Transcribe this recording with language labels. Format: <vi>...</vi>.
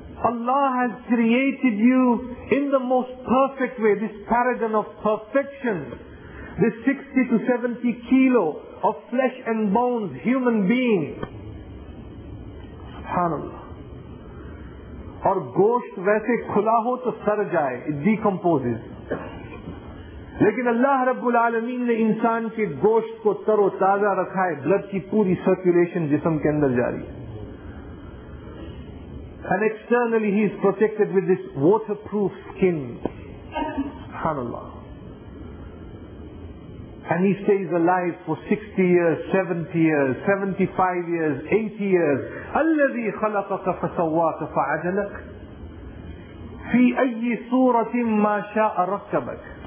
<en>Allah has created you in the most perfect way, this paragon of perfection, this 60 to 70 kilo of flesh and bones, human being. Subhanallah.</en> <ur>اور گوشت ویسے کھلا ہو تو سر جائے,</ur> <en>it decomposes.</en> <ur>لیکن اللہ رب العالمین نے انسان کے گوشت کو تر و تازہ رکھا ہے, بلڈ کی پوری سرکولیشن جسم کے اندر جاری ہے.</ur> <en>And externally he is protected with this waterproof skin. Subhanallah. And he stays alive for 60 years, 70 years, 75 years, 80 years.</en> <ar>الَّذِي خَلَقَكَ فَسَوَّاكَ فَعَدَلَكَ فِي أَيِّ سُورَةٍ مَا شَاءَ رَكَّبَكَ.</ar>